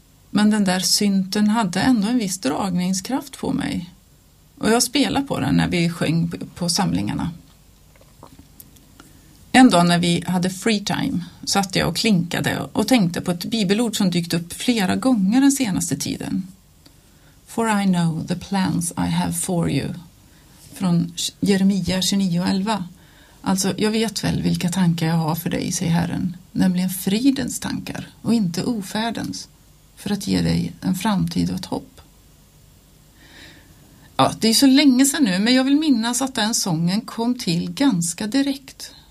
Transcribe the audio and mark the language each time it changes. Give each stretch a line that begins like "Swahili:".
Swedish: Men den där synten hade ändå en viss dragningskraft på mig. Och jag spelade på den när vi sjöng på samlingarna. En dag när vi hade free time satt jag och klinkade och tänkte på ett bibelord som dykt upp flera gånger den senaste tiden.
English: For I know the plans I have for you.
Swedish: Från Jeremia 29:11. Alltså, jag vet väl vilka tankar jag har för dig, säger Herren. Nämligen fridens tankar och inte ofärdens. För att ge dig en framtid och ett hopp. Ja, det är så länge sedan nu, men jag vill minnas att den sången kom till ganska direkt.